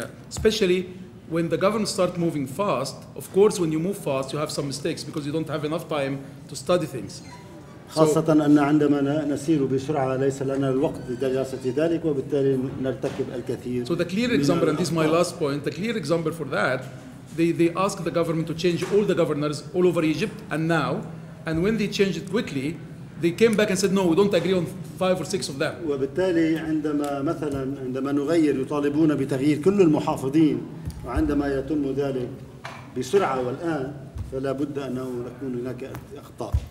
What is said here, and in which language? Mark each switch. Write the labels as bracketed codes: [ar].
[en] Especially when the government start moving fast. Of course, when you move fast, you have some mistakes because you don't have enough time to study things. [ar] خاصة أن عندما نسير بسرعة ليس لنا الوقت لدراسة ذلك، وبالتالي نرتكب الكثير. [en] So the clear example, and this is my last point, the clear example for that, they ask the government to change all the governors all over Egypt and now, and when they change it quickly, they came back and said no, we don't agree on five or six of them. [ar] وبالتالي عندما مثلا عندما نغير يطالبون بتغيير كل المحافظين، وعندما يتم ذلك بسرعة والآن فلا بد أن نكون هناك أخطاء.